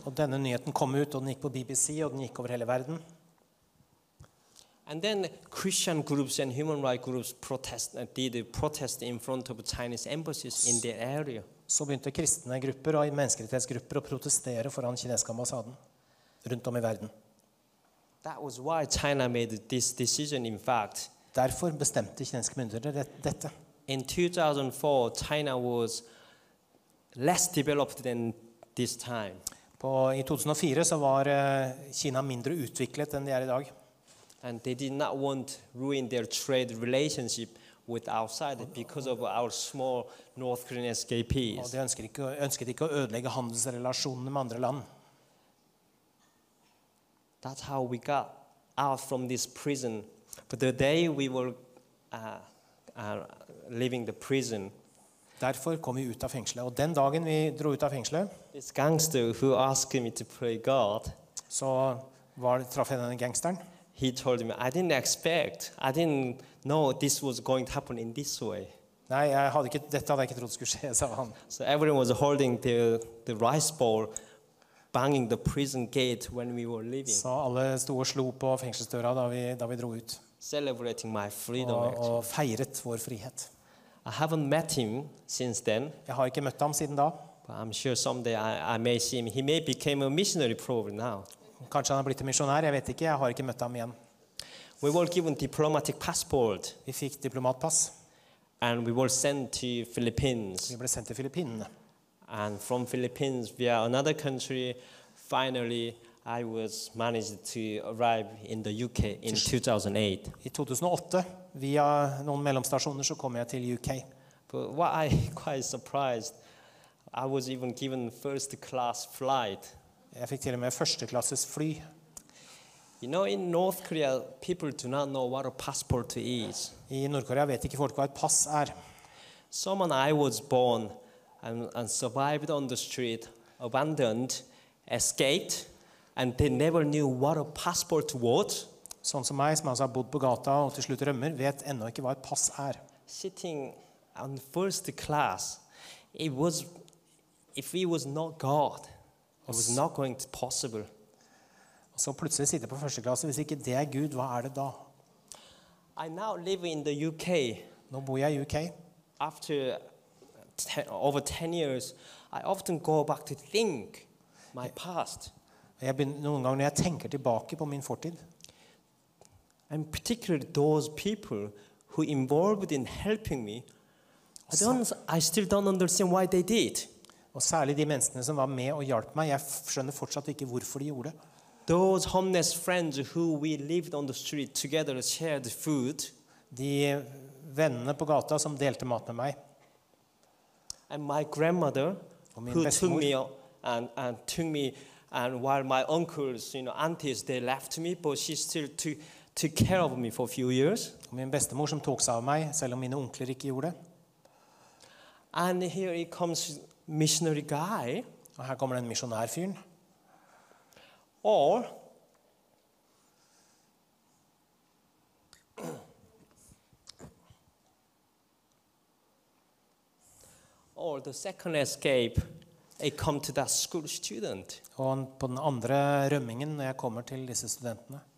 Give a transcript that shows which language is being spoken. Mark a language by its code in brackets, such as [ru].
[no] Og denne nyheten kom ut, og den gikk på BBC, og den gikk over hele verden. [en] And then Christian groups and human rights groups did protest in front of Chinese embassies in the area. [no] Så begynte kristne grupper og menneskerettighetsgrupper å protestere foran kinesiske ambassaden rundt om I verden. [en] That was why China made this decision, in fact. [no] Derfor bestemte kinesiske myndigheter dette. [en] In 2004, China was less developed than this time. [no] I 2004 så var Kina mindre utviklet enn de I dag. [en] And they did not want to ruin their trade relationship with outside because of our small North Korean escapees. [no] Og de ønsket ikke å ødelegge handelsrelasjonene med andre land. [en] That's how we got out from this prison. But the day we were leaving the prison, [no] Derfor kom vi ut av fengselet. Og den dagen vi dro ut av fengselet, [en] this gangster who asked me to pray God, [no] så traff jeg denne gangsteren. [en] He told me, I didn't know this was going to happen in this way. [no] Nei, dette hadde jeg ikke trodd skulle skje, sa han. [en] So everyone was holding the rice bowl, banging the prison gate when we were leaving. [no] Så alle sto og slo på fengselsdøra da vi dro ut. [en] Celebrating my freedom. [no] Og feiret vår frihet. [en] I haven't met him since then. [no] Jeg har ikke møtt ham siden da. [en] But I'm sure someday I may see him. He may become a missionary probably now. [no] Kanskje han har blitt misjonær, jeg vet ikke, jeg har ikke møtt ham igjen. [en] We were given diplomatic passport. [no] Vi fikk diplomatpass. [en] And we were sent to Philippines. [no] Vi ble sendt til Filippinene. [en] And from Philippines via another country, finally I was managed to arrive in the UK in 2008. [no] I 2008, via noen mellomstasjoner, så kom jeg til UK. [en] But what I quite surprised, I was even given first class flight. [no] Jeg fikk til og med førsteklasses fly. [en] You know, in North Korea, people do not know what a passport is. [no] I Nord-Korea vet ikke folk hva et pass [en] Someone I was born and survived on the street, abandoned, escaped, and they never knew what a passport was. [no] Sånn som meg, som altså har bodd på gata og til slutt rømmer, vet enda ikke hva et pass [en] Sitting on first class, if he was not God, it was not going to be possible. [no] Så plutselig sitter på første klasse, hvis ikke det Gud, hva det da? [en] I now live in the UK. [no] Nå bor jeg I UK. [en] After over 10 years, I often go back to think my past. [no] Jeg begynner noen ganger når jeg tenker tilbake på min fortid. [en] And particularly those people who involved in helping me, I still don't understand why they did. [no] Og særlig de menneskene som var med og hjalp meg, jeg skjønner fortsatt ikke hvorfor de gjorde det. [en] Those homeless friends who we lived on the street together shared food. [no] De vennene på gata som delte mat med meg. [en] And my grandmother who took me and while my uncles, you know, aunties, they left me, but she still took care of me for a few years. [no] Og min bestemor som tok seg av meg, selv om mine onkler ikke gjorde det. [en] And here he comes, missionary guy. [no] Og her kommer den misjonærfyren. [en] Or the second escape, I come to that school student. [sv] Och på den andra rymningen när jag kommer till dessa studenterna.